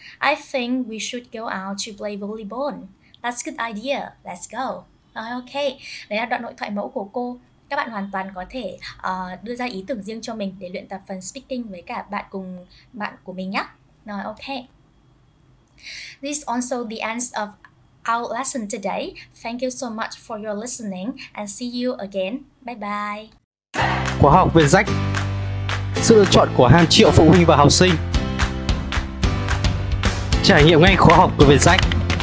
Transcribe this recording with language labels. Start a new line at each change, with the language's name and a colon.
English: I think we should go out to play volleyball. That's a good idea. Let's go.
Vietnamese: Ok, đấy là đoạn hội thoại mẫu của cô. Các bạn hoàn toàn có thể đưa ra ý tưởng riêng cho mình để luyện tập phần speaking với cả bạn cùng bạn của mình nhé. Rồi, ok.
English: This is also the end of our lesson today. Thank you so much for your listening and see you again. Bye bye.
Vietnamese: Khóa học viên rách, sự lựa chọn của hàng triệu phụ huynh và học sinh. Trải nghiệm ngay khóa học của Vietjet.